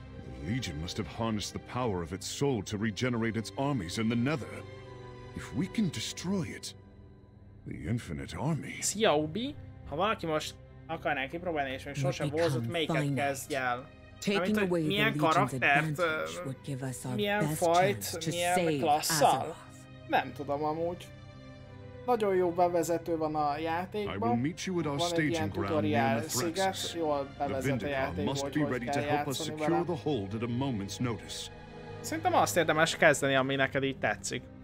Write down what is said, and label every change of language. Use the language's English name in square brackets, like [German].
[English] The Legion must have harnessed the power of its soul to regenerate its armies in the Nether. If we can destroy it, the Infinite Army. [Hungarian] Szia, Ubi! Ha valaki most akarná kipróbálni, és még sosem bózott, melyiket kezdj el? [English] taking away the Legion's advantage would give us our best chance to save Azeroth. [Hungarian] Nem tudom amúgy. Nagyon jó bevezető van a játékban. Van egy ilyen tutoriál sziget, jól bevezet a játékba, hogy kell játszani vele. Szerintem azt érdemes kezdeni, ami neked így tetszik.